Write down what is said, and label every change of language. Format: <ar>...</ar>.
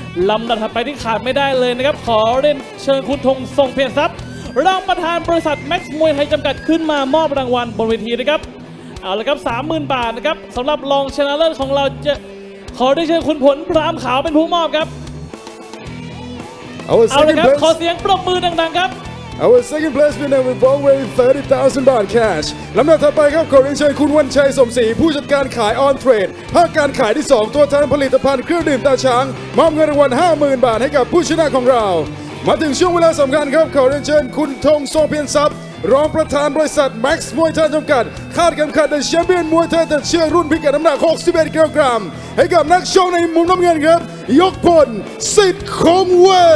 <th>ลำดับถัดไปที่ขาดไม่ได้เลยนะครับขอเรียนเชิญคุณธงทรงเพียรทรัพย์รองประธานบริษัทแม็กซ์มวยไทยจำกัดขึ้นมามอบรางวัลบนเวทีด้วยครับเอาละครับ 30,000 บาทนะครับสำหรับรองชนะเลิศของเราจะขอได้เชิญคุณผลพรามขาวเป็นผู้มอบครับเอาละครับขอเสียงปรบมือดังๆครับ</th> <en>Our second place winner with over 30,000 baht cash.</en> <th>ลำดับถัดไปครับขอเรียนเชิญคุณวันชัยสมศรีผู้จัดการขายออนเทรดภาคการขายที่2ตัวแทนผลิตภัณฑ์เครื่องดื่มตาช้างมอบเงินรางวัล 50,000 บาทให้กับผู้ชนะของเรามาถึงช่วงเวลาสำคัญครับขอเรียนเชิญคุณธงทรงเพียรทรัพย์รองประธานบริษัท Max มวยไทยจำกัดคาดเข็มขัดเดอะแชมเปี้ยนมวยไทยแต่เชื่อรุ่นพิกัดน้ำหนัก61กิโลกรัมให้กับนักชกในมุมน้ำเงินครับยกพลสิทธิ์คงเว</th>